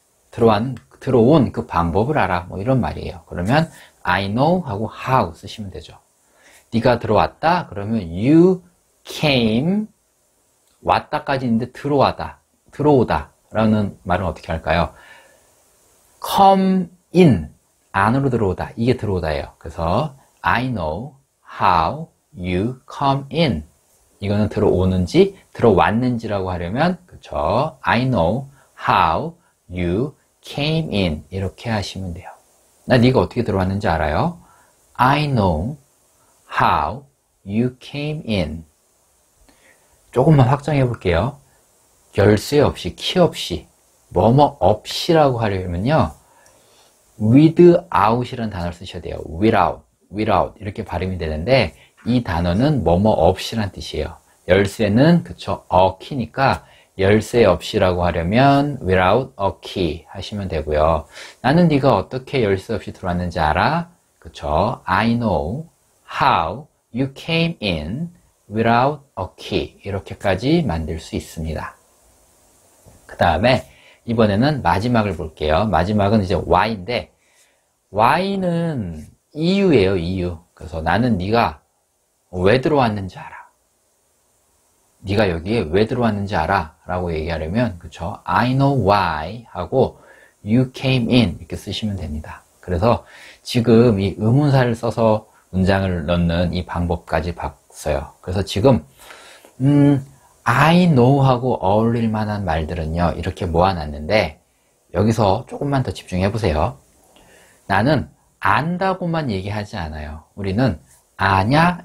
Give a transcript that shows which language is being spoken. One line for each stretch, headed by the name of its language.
Korean: 들어온 그 방법을 알아. 뭐 이런 말이에요. 그러면
English: I know
Korean: 하고 how 쓰시면 되죠. 네가 들어왔다. 그러면 you came 왔다까지인데 들어오다라는 말은 어떻게 할까요?
English: come in
Korean: 안으로 들어오다. 이게 들어오다예요.
English: 그래서 I know how you come in.
Korean: 이거는 들어오는지 들어왔는지라고 하려면, 그쵸?
English: I know how you came in.
Korean: 이렇게 하시면 돼요. 나 네가 어떻게 들어왔는지 알아요?
English: I know how you came in.
Korean: 조금만 확장해 볼게요. 열쇠 없이, 키 없이, 뭐뭐 없이라고 하려면요. without이라는 단어를 쓰셔야 돼요. without 이렇게 발음이 되는데, 이 단어는 뭐뭐 없이란 뜻이에요. 열쇠는, 그쵸, a key니까 열쇠 없이라고 하려면
English: without a key
Korean: 하시면 되고요. 나는 네가 어떻게 열쇠 없이 들어왔는지 알아?
English: 그쵸, I know how you came in without a key.
Korean: 이렇게까지 만들 수 있습니다. 그 다음에 이번에는 마지막을 볼게요. 마지막은 이제 why인데, Y는 이유예요, 이유. 그래서 나는 네가 왜 들어왔는지 알아. 네가 여기에 왜 들어왔는지 알아. 라고 얘기하려면, 그쵸?
English: I know why 하고 you came in
Korean: 이렇게 쓰시면 됩니다. 그래서 지금 이 의문사를 써서 문장을 넣는 이 방법까지 봤어요. 그래서 지금
English: I know
Korean: 하고 어울릴 만한 말들은요, 이렇게 모아놨는데, 여기서 조금만 더 집중해 보세요. 나는 안다고만 얘기하지 않아요. 우리는 아냐?